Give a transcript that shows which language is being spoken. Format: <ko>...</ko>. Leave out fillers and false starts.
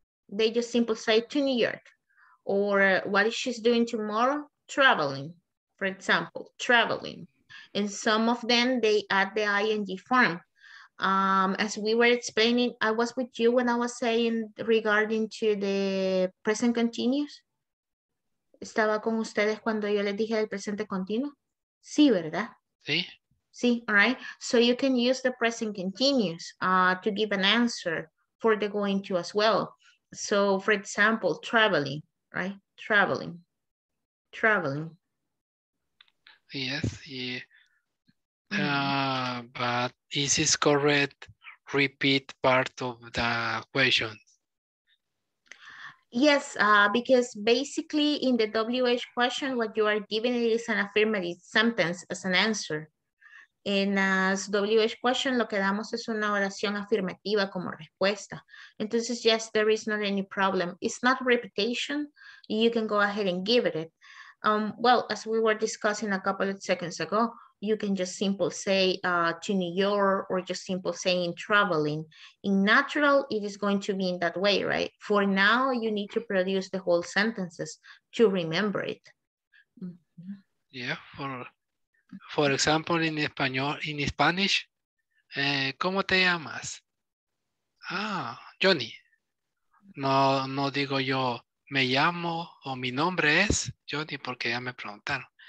<en>They just simply say to New York, or what is she doing tomorrow? Traveling, for example, traveling. And some of them, they add the ing form. As we were explaining, I was with you when I was saying regarding to the present continuous.</en> <es>Estaba con ustedes cuando yo les dije el presente continuo. Sí, ¿verdad? Sí.</es> <en>Sí, all right. So you can use the present continuous to give an answer for the going to as well. So for example, traveling, right? Traveling. Traveling. Yes, yeah. But is this correct? Repeat part of the question. Yes, because basically in the WH question, what you are giving it is an affirmative sentence as an answer.</en> <es>En las WH question, lo que damos es una oración afirmativa como respuesta.</es> <en>Entonces, yes, there is not any problem. It's not repetition. You can go ahead and give it. Well, as we were discussing a couple of seconds ago, you can just simply say to New York or just simply saying traveling. In natural, it is going to be in that way, right? For now, you need to produce the whole sentences to remember it. Yeah, for example, in español, in Spanish,</en> <es>¿cómo te llamas? Ah, Johnny. No, no digo yo me llamo o mi nombre es Johnny porque ya me preguntaron.</es>